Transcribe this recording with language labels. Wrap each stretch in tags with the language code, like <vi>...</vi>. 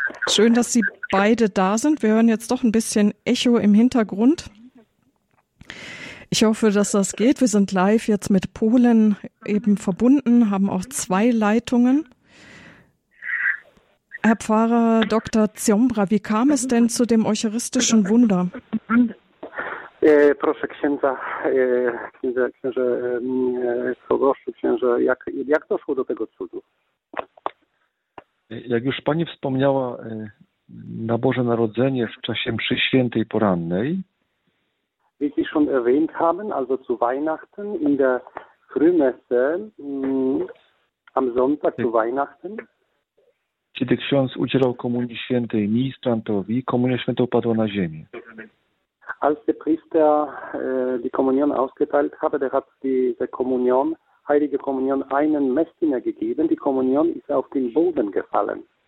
<de>Schön, dass Sie beide da sind. Wir hören jetzt doch ein bisschen Echo im Hintergrund. Ich hoffe, dass das geht. Wir sind live jetzt mit Polen eben verbunden, haben auch zwei Leitungen. Herr Pfarrer Dr. Bzombra, wie kam es denn zu dem eucharistischen Wunder?</de> <pl>Proszę księdza, księże Sogorszy, księże, jak doszło do tego cudu? Jak już pani wspomniała, na Boże Narodzenie w czasie mszy świętej porannej.</pl> <de>Wie Sie schon erwähnt haben, also zu Weihnachten in der Frühmesse, am Sonntag zu Weihnachten.</de> <pl>Kiedy ksiądz udzielał Komunii Świętej ministrantowi, Komunia Święta upadła na ziemię.</pl> <de>Als der Priester die Kommunion ausgeteilt hatte, der hat diese Kommunion, heilige Kommunion, einen Messdiener gegeben. Die Kommunion ist auf den Boden gefallen.</de>